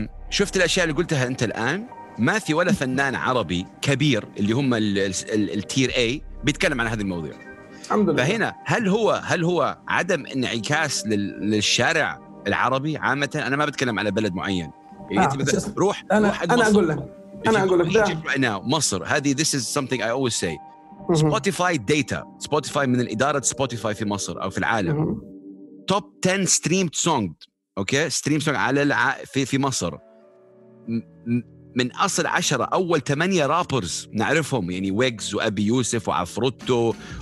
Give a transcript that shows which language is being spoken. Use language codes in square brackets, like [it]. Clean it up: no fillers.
[ar] شفت الأشياء اللي قلتها أنت الآن، ما في ولا فنان عربي كبير اللي هم التير A بيتكلم عن هذه المواضيع الحمد لله. فهنا هل هو عدم انعكاس للشارع العربي عامة؟ أنا ما بتكلم على بلد معين. روح أنا أقول لك مصر، هذه [en] this is something I always say. [ar] سبوتيفاي داتا، سبوتيفاي من الإدارة سبوتيفاي في مصر أو في العالم، [en] top 10 streamed song. [ar] أوكي [en] streamed song [ar] على في مصر، من أصل 10 أول 8 رابرز نعرفهم، يعني ويجز وأبي يوسف وعفروتو